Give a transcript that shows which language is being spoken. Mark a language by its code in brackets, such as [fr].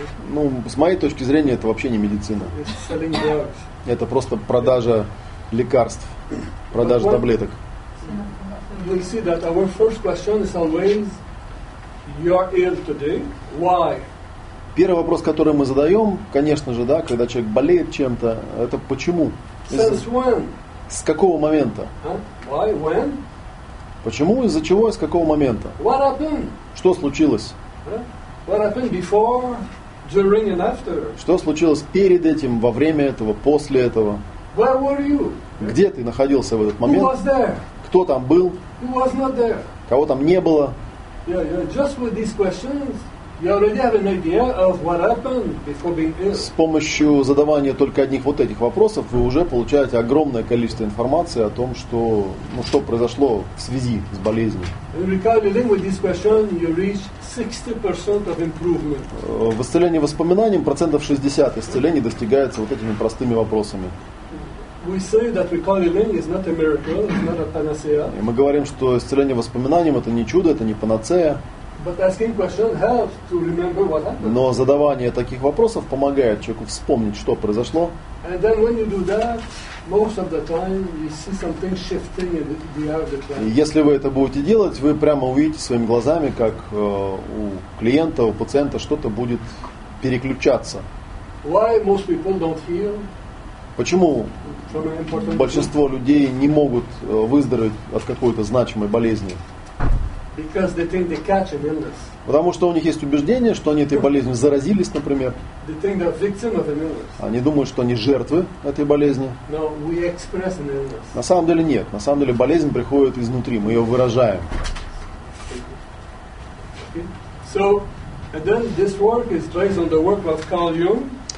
[ru] Ну, с моей точки зрения, это вообще не медицина. Это просто продажа лекарств, продажа таблеток. [en] We'll see that our first question is always, you are ill today, why? [ru] Первый вопрос, который мы задаем, конечно же, да, когда человек болеет чем-то, это почему? [en] Since when? [ru] С какого момента? [en] Why, when? [ru] Почему, из-за чего, с какого момента? [en] What happened? [ru] Что случилось? [en] What happened before, during and after? [ru] Что случилось перед этим, во время этого, после этого? [en] Where were you? [ru] Где ты находился в этот момент? [en] Who was there? [ru] Кто там был? [en] Who was not there? [ru] Кого там не было? [en] Just with these questions, you already have an idea of what happened before being ill. [ru] С помощью задавания только одних вот этих вопросов вы уже получаете огромное количество информации о том, что, ну, что произошло в связи с болезнью. [en] Recalling with this question, you reach 60% of improvement. [ru] В исцелении воспоминанием процентов 60 исцелений достигается вот этими простыми вопросами. [en] We say that recalling is not a miracle, it's not a panacea. [ru] И мы говорим, что исцеление воспоминанием это не чудо, это не панацея. [en] But asking questions helps to remember what happened. [ru] Но задавание таких вопросов помогает человеку вспомнить, что произошло. [en] And then when you do that, most of the time you see something shifting in the outer. [ru] Если вы это будете делать, вы прямо увидите своими глазами, как у клиента, у пациента что-то будет переключаться. [en] Why most people don't heal? [ru] Почему большинство людей не могут выздороветь от какой-то значимой болезни? [en] Because they think they catch an illness. [ru] Потому что у них есть убеждение, что они этой болезнью заразились, например. [en] They think they're victim of an illness. [ru] Они думают, что они жертвы этой болезни. [en] No, we express an illness. [ru] На самом деле нет. На самом деле болезнь приходит изнутри. Мы ее выражаем. [en] And then this work is based on the work of Carl Jung.